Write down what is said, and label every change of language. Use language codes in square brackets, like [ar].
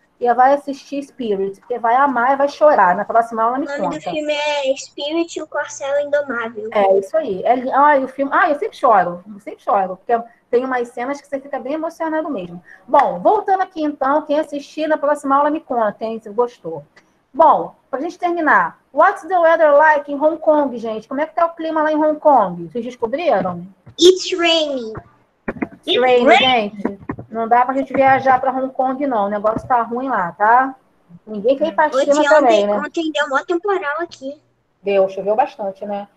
[pt] E vai assistir Spirit, porque vai amar e vai chorar. Na próxima aula me conta. O nome do filme é Spirit e o Corcel Indomável. É, isso aí. Eu sempre choro. Porque tem umas cenas que você fica bem emocionado mesmo. Bom, voltando aqui então, quem assistir na próxima aula me conta, hein, se gostou. Bom, pra gente terminar. [en] What's the weather like in Hong Kong, gente? [pt] Como é que tá o clima lá em Hong Kong? Vocês descobriram? [en] It's raining. Rain, gente. [pt] Não dá pra gente viajar pra Hong Kong, não. O negócio tá ruim lá, tá? Ninguém quer ir pra China também, né? Ontem deu mó temporal aqui. Deu, choveu bastante, né?